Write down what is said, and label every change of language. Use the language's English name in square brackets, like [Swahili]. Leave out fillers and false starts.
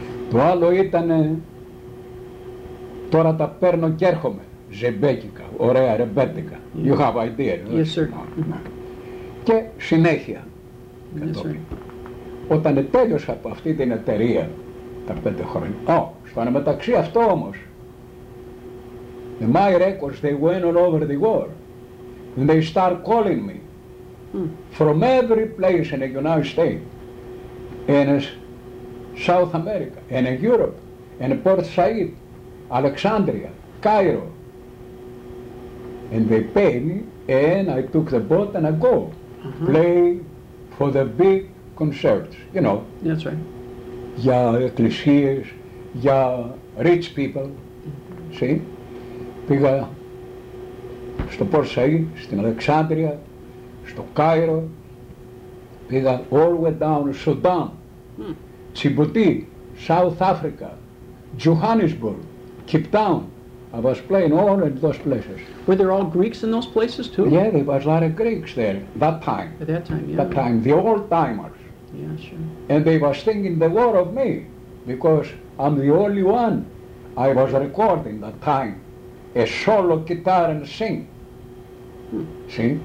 [Greek] Το άλλο ήταν «Τώρα τα παίρνω και έρχομαι». ζεμπέκικα, ωραία ρεμπέτικα. [English] Yeah. You have idea. Yes, right? Sir. Mm-hmm. [Greek] Και συνέχεια. [English] Yes, sir. [Greek] Όταν τέλειωσα από αυτή την εταιρεία τα 5 χρόνια. Oh, στο μεταξύ αυτό όμως. [English] My records, they went all over the world. And they start calling me. Mm. From every place in the United States. In South America, in Europe, in Port Said, Alexandria, Cairo. And they pay me, and I took the boat and I go. Uh-huh. Play for the big concerts, you know. That's right. [Greek] Για εκκλησίες, για [English] rich people, see. [Greek] Πήγα στο Port Said, στην Αλεξάνδρεια, στο Κάιρο, πήγα [English] all the way down to [Greek] Sudan, Τσιμπουτί, South Africa, Johannesburg, Cape Town. [English] I was playing all in those places. Were there all Greeks in those places too? Yeah, there was a lot of Greeks there that time. At that time, yeah. That time, the old timers. Yeah, sure. And they was thinking the war of me because I'm the only one. I was recording that time. A solo guitar and sing. Hmm. See?